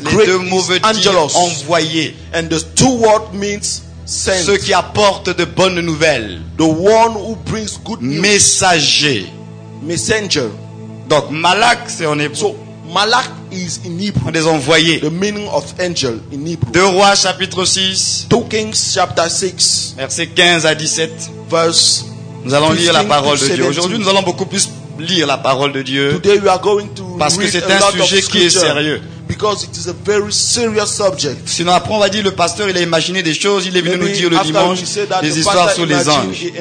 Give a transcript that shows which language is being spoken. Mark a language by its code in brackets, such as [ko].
[fr] Les deux mots veulent angelos dire envoyé. [en] And the two word means sent. [fr] Ceux qui apportent de bonnes nouvelles. [en] The one who brings good news. [fr] Messager. [en] Messenger. [fr] Donc malak, c'est en hébreu. [en] So, malak is in Hebrew. [fr] Des envoyés. [en] The meaning of angel in Hebrew. [fr] Deux Rois chapitre 6. [en] 2 Kings chapter 6. [fr] Verset 15 à 17. [en] Verse. [fr] Nous allons lire la parole de Dieu. Aujourd'hui, nous allons beaucoup plus lire la parole de Dieu. [en] Today we are going to [fr] parce que c'est un sujet qui est sérieux. [en] Because it is a very serious subject. [fr] Sinon, après, on va dire le pasteur, il a imaginé des choses. Il est venu nous dire le dimanche des histoires sur les anges.